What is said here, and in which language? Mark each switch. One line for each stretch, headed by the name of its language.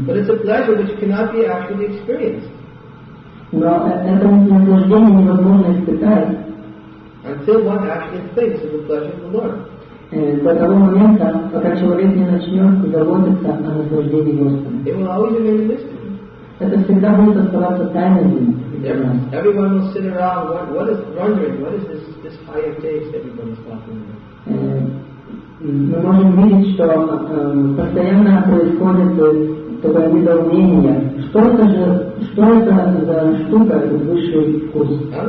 English: But it's a pleasure which cannot be actually experienced.
Russian: Но это наслаждение невозможно испытать.
English: Until one actually thinks of the pleasure of the Lord.
Russian: До того момента, пока человек не начнет заботиться о наслаждении Господа. Это всегда будет оставаться тайной для нас.
English: Everyone will sit around what is wondering, what is this higher taste everybody is talking about?
Russian: Мы можем видеть, что постоянно происходит такое недоумение. Что это за штука, высший вкус?